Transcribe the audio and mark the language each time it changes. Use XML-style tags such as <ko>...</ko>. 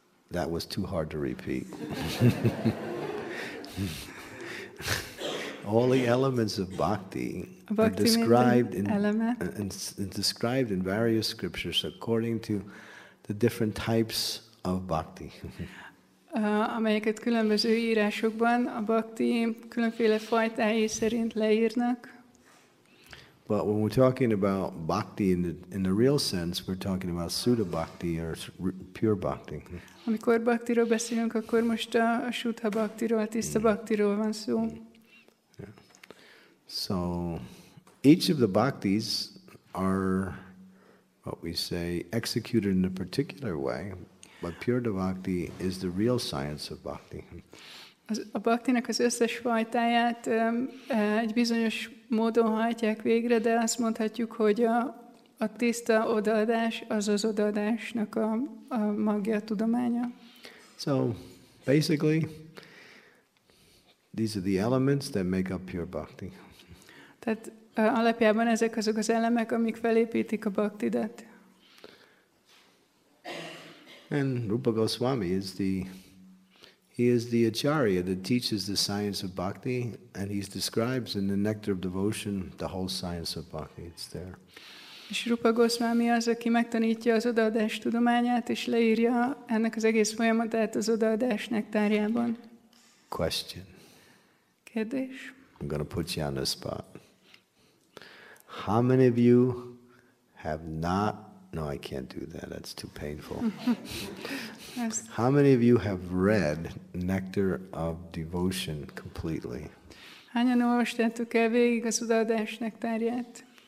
<en>That was too hard to repeat. All the elements of bhakti are described in various scriptures according to the different types of bhakti.</en> <hu>Amelyeket különböző írásokban a bhakti különféle fajtái szerint leírnak.</hu> <en>But when we're talking about bhakti in the real sense, we're talking about Suddha bhakti or pure bhakti.</en> <hu>Amikor bhaktiról beszélünk, akkor most a Suddha bhaktiról, a tiszta bhaktiról van szó.</hu> <en>So each of the bhaktis are what we say executed in a particular way. But pure devotee is the real science of bhakti.</en> <hu>A bhaktinak az összes fajtáját egy bizonyos módon hajtják végre, de azt mondhatjuk, hogy a tiszta odaadás az az odaadásnak a magja, a tudománya.</hu> <en>So, basically, these are the elements that make up pure bhakti.</en> <hu>Tehát alapjában ezek azok az elemek, amik felépítik a bhaktidat.</hu> <en>And Rupa Goswami is the acharya that teaches the science of bhakti, and he describes in the Nectar of Devotion the whole science of bhakti. It's there.</en> <hu>És Rupa Goszvámi az, aki megtanítja az odaadás tudományát, és leírja ennek az egész folyamatát az odaadás nektárjában.</hu> <en>Question.</en> <hu>Kérdés.</hu> <en>I'm going to put you on the spot. How many of you have not... No, I can't do that. That's too painful. How many of you have read Nectar of Devotion completely?</en> <hu>Hányan olvastátok el végig az odaadás nektárját?</hu>